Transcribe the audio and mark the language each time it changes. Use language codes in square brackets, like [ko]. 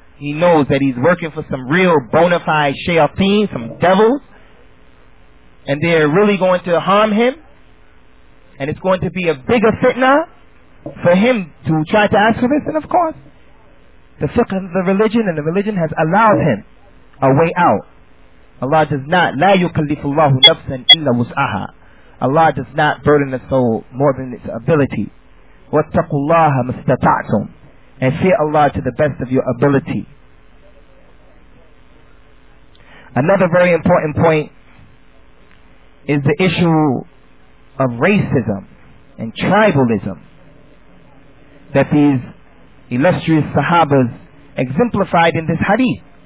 [en] He knows that he's working for some real bona fide shayateen, some devils, and they're really going to harm him, and it's going to be a bigger fitna for him to try to ask for this. And of course, the fiqh of the religion and the religion has allowed him a way out. Allah does not, [ar] لا يكلف الله نفسا إلا وسعها. [en] Allah does not burden the soul more than its ability. [ar] وَاتَّقُوا اللَّهَ مَا اسْتَطَعْتُمْ. [en] And fear Allah to the best of your ability. Another very important point is the issue of racism and tribalism that these illustrious Sahabas exemplified in this hadith.